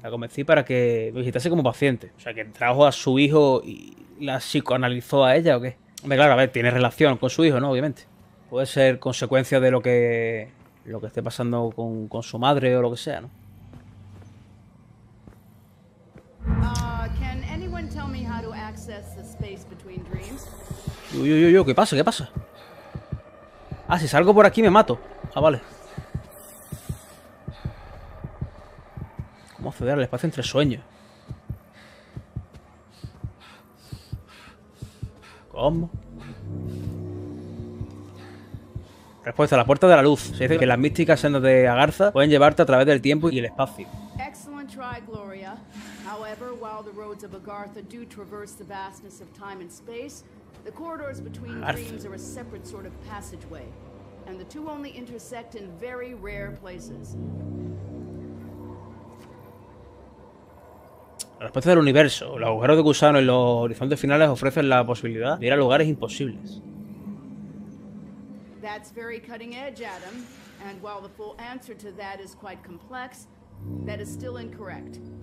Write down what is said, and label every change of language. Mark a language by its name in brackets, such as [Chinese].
[Spanish] La convencí para que lo visitase como paciente. O sea, que trajo a su hijo y la psicoanalizó a ella, ¿o qué? Hombre, claro, a ver, tiene relación con su hijo, ¿no? Obviamente. Puede ser consecuencia de lo que esté pasando con su madre o lo que sea, ¿no? [English] Can anyone tell me how to access the space between dreams? [Spanish] Yo, ¿qué pasa? ¿Qué pasa? Ah, si salgo por aquí me mato. Ah, vale. ¿Cómo acceder al espacio entre sueños? ¿Cómo? Respuesta, la puerta de la luz. Se dice que las místicas sendas de Agartha pueden llevarte a través del tiempo y el espacio. [English] Excellent try, Gloria. However, while the roads of Agartha do traverse the vastness of time and space, the corridors between dreams are a separate sort of passageway, and the two only intersect in very rare places. [Spanish] La respuesta del universo, los agujeros de gusano y los horizontes finales ofrecen la posibilidad de ir a lugares imposibles. [English] That's very cutting edge, Adam. And while the full answer to that is quite complex, that is still incorrect.